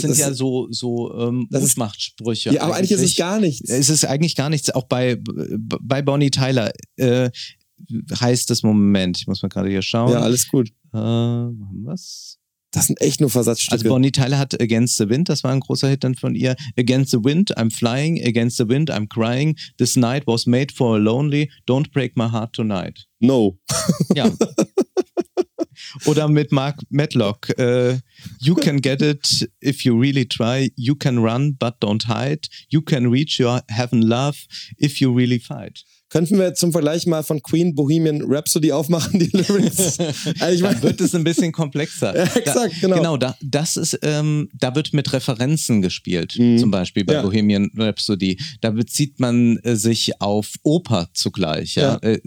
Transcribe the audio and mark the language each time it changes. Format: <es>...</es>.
<de>Das sind Mutmachtsprüche. Ja, aber eigentlich ist es gar nichts. Es ist eigentlich gar nichts. Auch bei Bonnie Tyler heißt das, Moment, ich muss mal gerade hier schauen. Ja, alles gut. Haben wir's? Das sind echt nur Versatzstücke. Also Bonnie Tyler hat Against the Wind, das war ein großer Hit dann von ihr.</de> <en>Against the Wind, I'm Flying. Against the Wind, I'm Crying. This Night Was Made for Lonely. Don't Break My Heart Tonight. No.</en> <de>Ja. Oder mit Mark Medlock.</de> <en>You can get it if you really try. You can run, but don't hide. You can reach your heaven love if you really fight.</en> <de>Könnten wir zum Vergleich mal von Queen Bohemian Rhapsody aufmachen, die Lyrics? Also da wird es ein bisschen komplexer. Ja, exakt, genau. Genau, da wird mit Referenzen gespielt, zum Beispiel bei Bohemian Rhapsody. Da bezieht man sich auf Oper zugleich. Ja? Ja.</de>